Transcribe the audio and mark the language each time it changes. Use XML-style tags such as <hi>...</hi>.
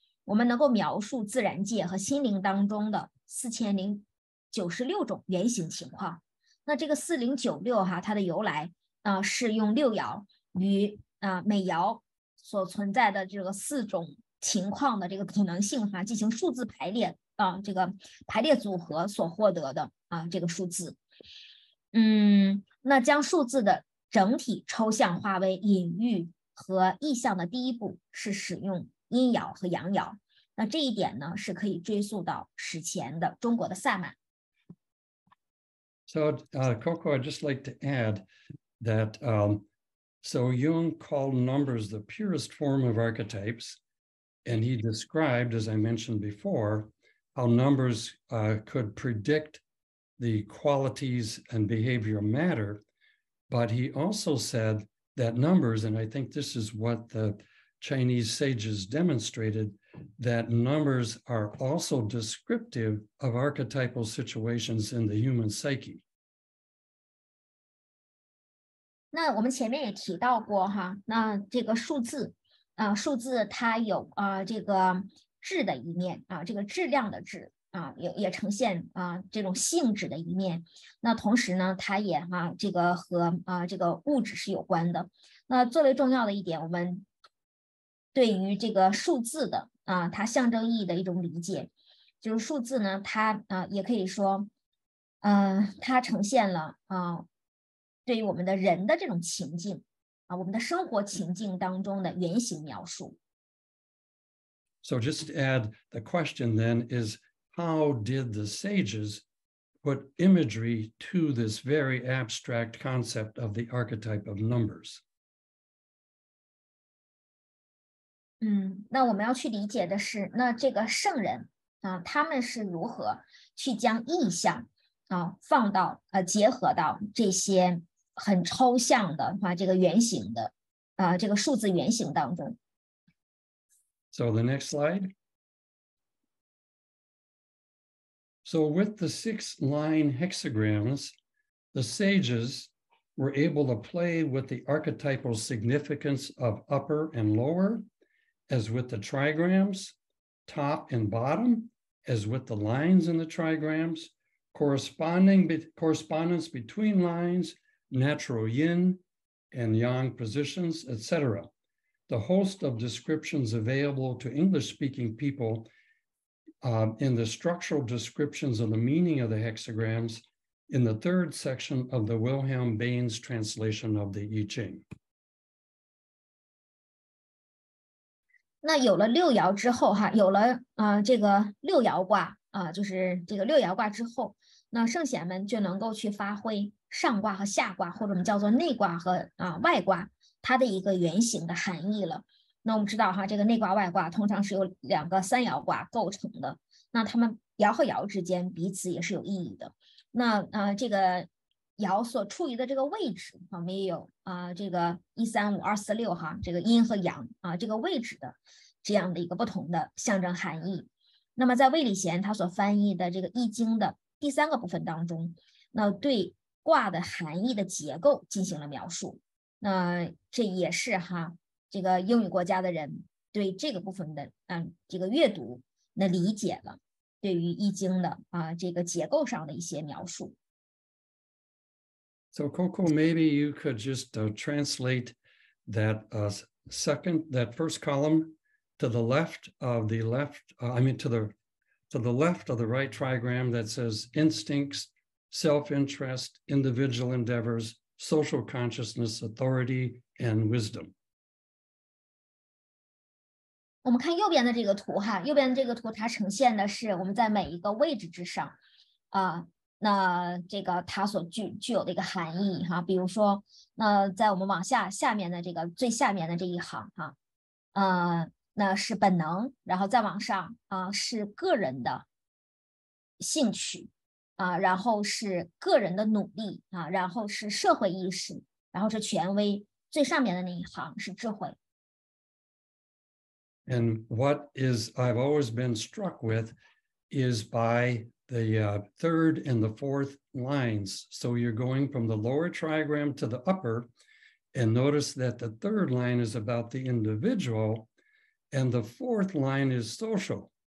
<zh>我们能够描述自然界和心灵当中的4096种原型情况，那这个4096它的由来是用六爻与每爻所存在的这个四种情况的这个可能性进行数字排列这个排列组合所获得的这个数字。那将数字的整体抽象化为隐喻和意象的第一步是使用阴爻和阳爻，那这一点呢是可以追溯到史前的中国的萨满。</zh> <en>So, Coco, I'd just like to add that Jung called numbers the purest form of archetypes, and he described, as I mentioned before, how numbers could predict the qualities and behavior matter. But he also said that numbers, and I think this is what the Chinese sages demonstrated, that numbers are also descriptive of archetypal situations in the human psyche.</en> <zh>那我们前面也提到过哈，那这个数字，数字它有这个质的一面啊，这个质量的质啊，也呈现这种性质的一面。那同时呢，它也这个和这个物质是有关的。那最为重要的一点，我们对于这个数字的它象征意义的一种理解，就是数字呢，它也可以说，它呈现了对于我们的人的这种情境我们的生活情境当中的原型描述。</zh> <en>So just to add, the question then is, how did the sages put imagery to this very abstract concept of the archetype of numbers?</en> <zh>那我们要去理解的是，那这个圣人他们是如何去将意象放到结合到这些很抽象的这个原型的这个数字原型当中。</zh> <en>So the next slide. So with the 6-line hexagrams, the sages were able to play with the archetypal significance of upper and lower, as with the trigrams, top and bottom, as with the lines in the trigrams, correspondence between lines, natural yin and yang positions, etc. The host of descriptions available to English-speaking people in the structural descriptions of the meaning of the hexagrams in the third section of the Wilhelm Baines translation of the I Ching.</en> <zh>那有了六爻之后哈，有了这个六爻卦就是这个六爻卦之后，那圣贤们就能够去发挥上卦和下卦，或者我们叫做内卦和外卦，它的一个原型的含义了。那我们知道哈，这个内卦外卦通常是由两个三爻卦构成的，那它们爻和爻之间彼此也是有意义的。那这个爻所处于的这个位置，我们也有这个135、246哈，这个阴和阳这个位置的这样的一个不同的象征含义。那么在魏礼贤他所翻译的这个易经的第三个部分当中，那对卦的含义的结构进行了描述，那这也是哈这个英语国家的人对这个部分的这个阅读那理解了对于易经的这个结构上的一些描述。</zh> <en>So Coco, maybe you could just translate that first column to the left of the left to the left of the right trigram that says instincts, self-interest, individual endeavors, social consciousness, authority, and wisdom.</en> <zh>我们看右边的这个图哈，右边的这个图它呈现的是我们在每一个位置之上那这个它所具有的一个含义哈，比如说那在我们往下面的这个最下面的这一行哈那是本能，然后再往上是个人的兴趣然后是个人的努力然后是社会意识，然后是权威，最上面的那一行是智慧。</zh> <en>And what is I've always been struck with is by the third and the fourth lines. So you're going from the lower trigram to the upper, and notice that the third line is about the individual, and the fourth line is social.</en>